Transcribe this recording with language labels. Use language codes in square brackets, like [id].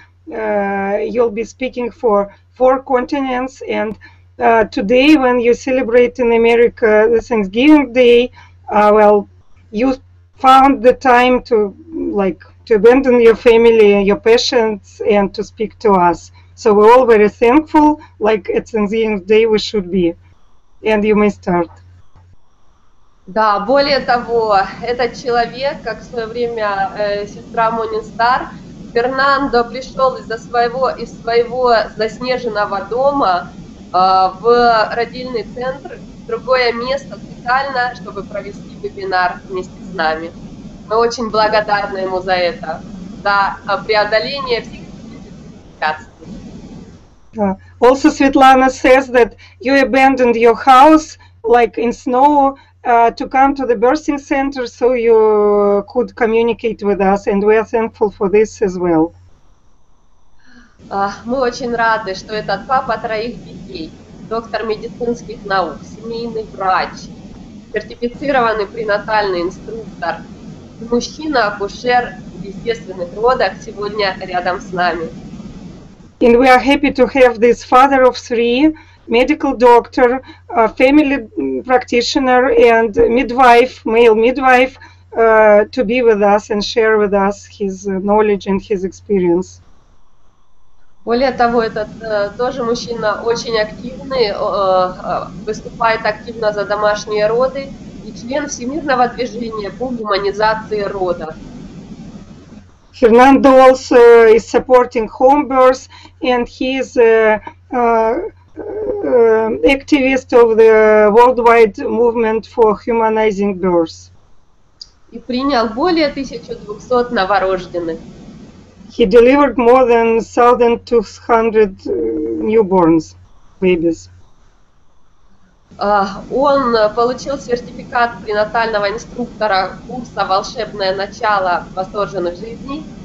[en] You'll be speaking for 4 continents, and today when you celebrate in America the Thanksgiving Day, you found the time to to abandon your family and your passions and to speak to us. So we're all very thankful, like at Thanksgiving Day we should be. And you may start. [ru] Да, более того, этот человек, как в свое время сестра Мони Стар, Фернандо пришел из своего заснеженного дома в родильный центр, в другое место специально, чтобы провести вебинар вместе с нами. Мы очень благодарны ему за это, за преодоление всех препятствий. [en] Also, Svetlana says that you abandoned your house, in snow, to come to the birthing center so you could communicate with us, and we are thankful for this as well. [ru] Мы очень рады, что этот папа троих детей, доктор медицинских наук, семейный врач, сертифицированный пренатальный инструктор, мужчина-акушер в естественных родах сегодня рядом с нами. [en] And we are happy to have this father of three, medical doctor, a family practitioner, and midwife, male midwife, to be with us and share with us his knowledge and his experience. [ru] Более того, этот тоже мужчина очень активный, выступает активно за домашние роды, и член Всемирного движения по гуманизации рода. [en] Fernando also is supporting home births, and he is an activist of the worldwide movement for humanizing births. [ru] И принял более 1200 новорожденных. [en] He delivered more than 1,200 newborns, babies. [ru] Он получил сертификат пренатального инструктора курса «Волшебное начало восторженных жизней».